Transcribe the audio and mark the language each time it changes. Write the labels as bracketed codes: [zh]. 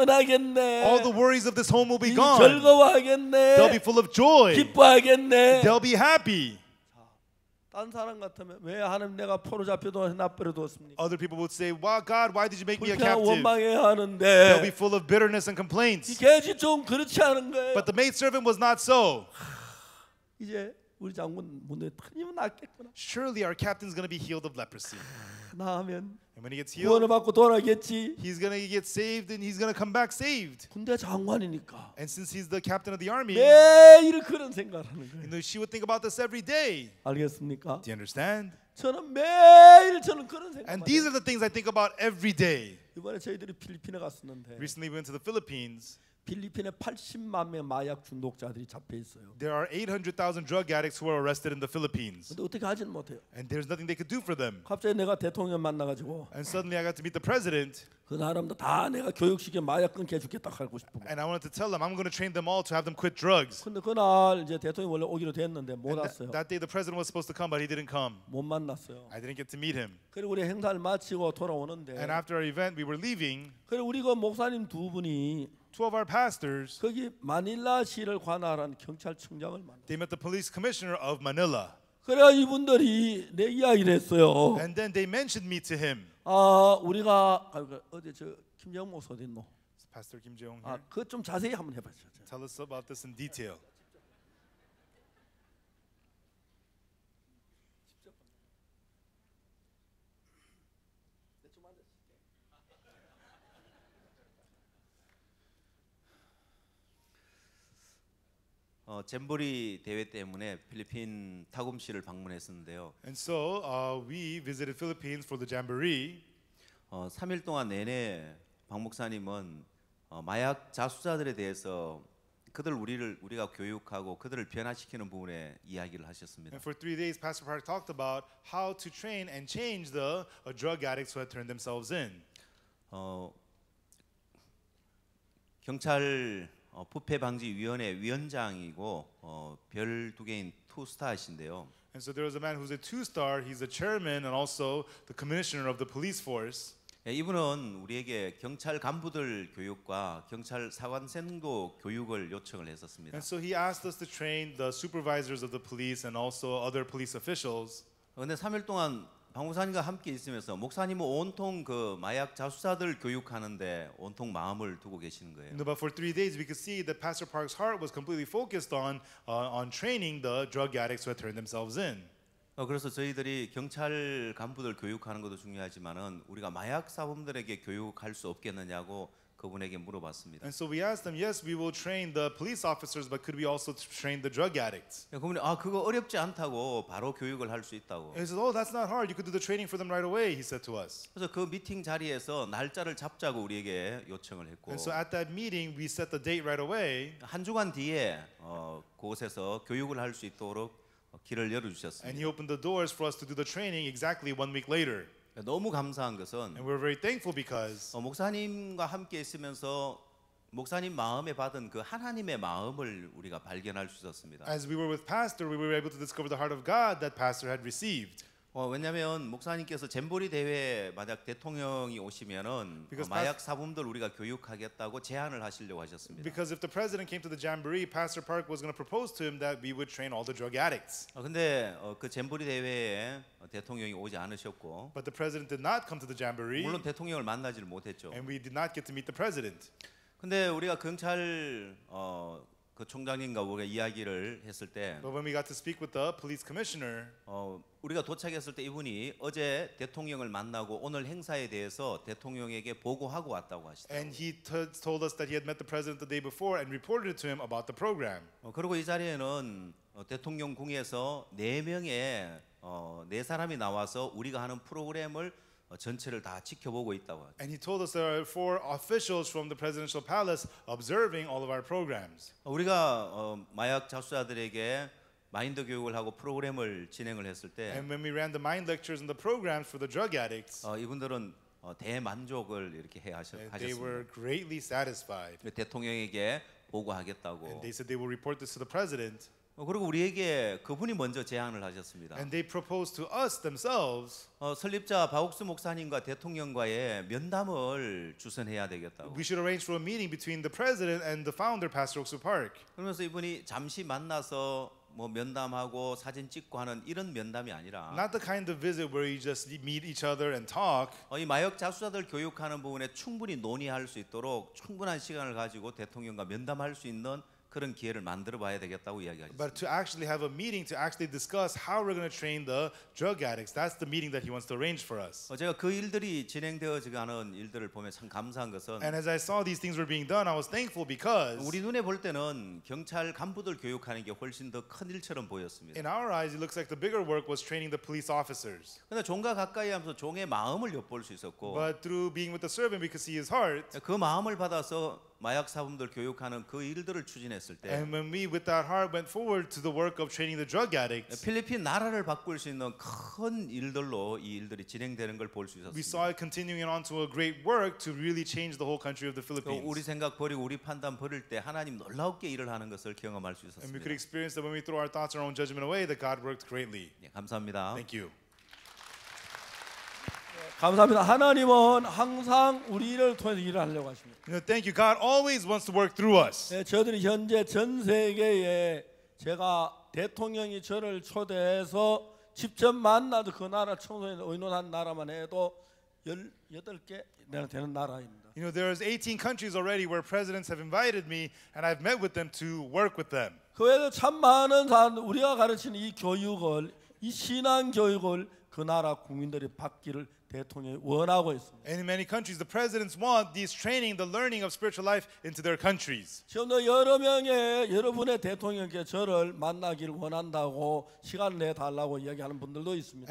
[en] All the worries of this home will be gone. [ko] 즐거워하겠네. [en] They'll be full of joy. [ko] 기뻐하겠네. [en] They'll be happy. [ko] 다른 사람 같으면 왜 하나님 내가 포로 잡혀도 나빼려두었습니까? [en] Other people would say, "Why, God, why did you make me a captive?" [ko] 불평 원망해 하는데. [en] They'll be full of bitterness and complaints. [ko] 이 계집 좀 그렇지 않은 거예요. [en] But the maidservant was not so. [ko] 이제 우리 장군 문에 틀리면 낫겠구나. [en] Surely our captain's going to be healed of leprosy. [ko] 나으면. [en] And when he gets healed, he's going to get saved and he's going to come back saved. [ko] 군대 장관이니까. [en] And since he's the captain of the army, [ko] 매일 그런 생각을 하는 거예요. [en] You know, she would think about this every day. [ko] 알겠습니까? [en] Do you understand? [ko] 저는 매일 저는 그런 생각. [en] And these are the things I think about every day. [ko] 이번에 저희들이 필리핀에 갔었는데. [en] Recently we went to the Philippines. [ko] 필리핀에 80만 명 마약 중독자들이 잡혀 있어요. [en] There are 800,000 drug addicts who are arrested in the Philippines. [ko] 근데 어떻게 하지는 못해요. [en] And there's nothing they could do for them. [ko] 갑자기 내가 대통령 만나가지고. [en] And suddenly I got to meet the president. [ko] 그 사람도 다 내가 교육시켜 마약 끊게 해주겠다 하고 싶어. [en] And I wanted to tell them I'm going to train them all to have them quit drugs. [ko] 근데 그날 이제 대통령 원래 오기로 됐는데 못 왔어요. [en] That day the president was supposed to come but he didn't come. [ko] 못 만났어요. [en] I didn't get to meet him. [ko] 그리고 우리 행사를 마치고 돌아오는데. [en] And after our event we were leaving. [ko] 그리고 우리 그 목사님 두 분이. [en] Two of our pastors. [ko] 거기 마닐라시를 관할한 경찰청장을 만났어. [en] They met the police commissioner of Manila. [ko] 그래 이분들이 내 이야기를 했어요. [en] And then they mentioned me to him. [ko] 아 우리가 어디 저 김재홍 목사 어디 있노? [en] Pastor Kim Jae-hong. [ko] 아 그 좀 자세히 한번 해봐요. [en] Tell us about this in detail. [ko] 잼보리 대회 때문에 필리핀 타곰시를 방문했었는데요. [en] And so we visited Philippines for the Jamboree. [ko] 3일 동안 내내 박 목사님은 마약 자수자들에 대해서 그들 우리가 교육하고 그들을 변화시키는 부분에 이야기를 하셨습니다. [en] And for 3 days, Pastor Park talked about how to train and change the drug addicts who had turned themselves in. [ko] 경찰 부패 방지 위원회 위원장이고 별 두 개인 투스타이신데요. [en] And so there was a man who's a two-star. He's a chairman and also the commissioner of the police force. [ko] 예, 이분은 우리에게 경찰 간부들 교육과 경찰 사관 선고 교육을 요청을 했었습니다. [en] And so he asked us to train the supervisors of the police and also other police officials. [ko] 근데 3일 동안 방 목사님과 함께 있으면서 목사님은 온통 그 마약 자수사들 교육하는데 온통 마음을 두고 계시는 거예요. [en] But for three days, we could see that Pastor Park's heart was completely focused on training the drug addicts who had turned themselves in. [ko] 그래서 저희들이 경찰 간부들 교육하는 것도 중요하지만은 우리가 마약 사범들에게 교육할 수 없겠느냐고 그분에게 물어봤습니다. [en] And so we asked them, yes, we will train the police officers, but could we also train the drug addicts? [ko] 그분이 아 그거 어렵지 않다고 바로 교육을 할 수 있다고. [en] He said, oh, that's not hard. You could do the training for them right away. He said to us. [ko] 그래서 그 미팅 자리에서 날짜를 잡자고 우리에게 요청을 했고. [en] And so at that meeting, we set the date right away. [ko] 한 주간 뒤에 그곳에서 교육을 할 수 있도록. 길을 열어주셨습니다. [en] And he opened the doors for us to do the training exactly one week later. [ko] 너무 감사한 것은 [en] And we're very thankful because [ko] 목사님과 함께 있으면서 목사님 마음에 받은 그 하나님의 마음을 우리가 발견할 수 있었습니다. [en] As we were with Pastor, we were able to discover the heart of God that Pastor had received. [ko] 왜냐하면 목사님께서 잼보리 대회 만약 대통령이 오시면은 마약 사범들 우리가 교육하겠다고 제안을 하시려고 하셨습니다. [en] Because if the president came to the jamboree, Pastor Park was going to propose to him that we would train all the drug addicts. [ko] 근데 그 잼보리 대회에 대통령이 오지 않으셨고. [en] But the president did not come to the jamboree. [ko] 물론 대통령을 만나지를 못했죠. [en] And we did not get to meet the president. [ko] 근데 우리가 경찰 그 총장님과 우리가 이야기를 했을 때 [en] But when we got to speak with the police commissioner [ko] 우리가 도착했을 때 이분이 어제 대통령을 만나고 오늘 행사에 대해서 대통령에게 보고하고 왔다고 하시더라고요. [en] And he told us that he had met the president the day before and reported to him about the program. [ko] 그리고 이 자리에는 대통령 궁에서 네 명의 네 사람이 나와서 우리가 하는 프로그램을 전체를 다 지켜보고 있다고. [en] And he told us there are four officials from the presidential palace observing all of our programs. [ko] 우리가 마약 자수자들에게 마인드 교육을 하고 프로그램을 진행을 했을 때 [en] And when we ran the mind lectures and the programs for the drug addicts. [ko] 이분들은 대만족을 이렇게 하셨습니다. [en] They were greatly satisfied. [ko] 대통령에게 보고하겠다고. [en] And they said they will report this to the president. [ko] 그리고 우리에게 그분이 먼저 제안을 하셨습니다. [en] And they proposed to us themselves. [ko] 설립자 박옥수 목사님과 대통령과의 면담을 주선해야 되겠다고. [en] We should arrange for a meeting between the president and the founder, Pastor Oksu Park. [ko] 그러면서 이분이 잠시 만나서 뭐 면담하고 사진 찍고 하는 이런 면담이 아니라 [en] Not the kind of visit where you just meet each other and talk. [ko] 이 마약 자수자들 교육하는 부분에 충분히 논의할 수 있도록 충분한 시간을 가지고 대통령과 면담할 수 있는 그런 기회를 만들어 봐야 되겠다고 이야기하셨습니다. [en] But to actually have a meeting to actually discuss how we're going to train the drug addicts. That's the meeting that he wants to arrange for us. [ko] 제가 그 일들이 진행되어지고 하는 일들을 보며 참 감사한 것은 [en] And as I saw these things were being done, I was thankful because [ko] 우리 눈에 볼 때는 경찰 간부들 교육하는 게 훨씬 더 큰 일처럼 보였습니다. [en] In our eyes it looks like the bigger work was training the police officers. [ko] 근데 종과 가까이 하면서 종의 마음을 엿볼 수 있었고 [en] But through being with the servant we could see his heart. [ko] 그 마음을 받아서 마약 사범들 교육하는 그 일들을 추진했을 때 [en] And when we with that heart went forward to the work of training the drug addicts [ko] 필리핀 나라를 바꿀 수 있는 큰 일들로 이 일들이 진행되는 걸 볼 수 있었습니다. [en] We saw it continuing on to a great work to really change the whole country of the Philippines. [ko] 우리 생각 버리고 우리 판단 버릴 때 하나님 놀랍게 일을 하는 것을 경험할 수 있었습니다. [en] And we could experience that when we throw our thoughts and our own judgment away that God worked greatly. [ko] 예, 감사합니다. [en] Thank you. [ko] 감사합니다. 하나님은 항상 우리를 통해서 일을 하려고 하십니다. [en] You know, thank you. God always wants to work through us. [ko] 네, 저들이 현재 전 세계에 제가 대통령이 저를 초대해서 직접 만나도 그 나라 청소년 의논한 나라만 해도 18개 내가 되는 나라입니다. [en] You know, there is 18 countries already where presidents have invited me and I've met with them to work with them. [ko] 그 외에도 참 많은 사람 우리가 가르치는 이 교육을 이 신앙 교육을 그 나라 국민들이 받기를 대통령이 원하고 있습니다. [en] And in many countries, the presidents want this training, the learning of spiritual life into their countries. [ko] 지금도 여러 명의 여러분의 대통령께 저를 만나기를 원한다고 시간 내 달라고 이야기하는 분들도 있습니다.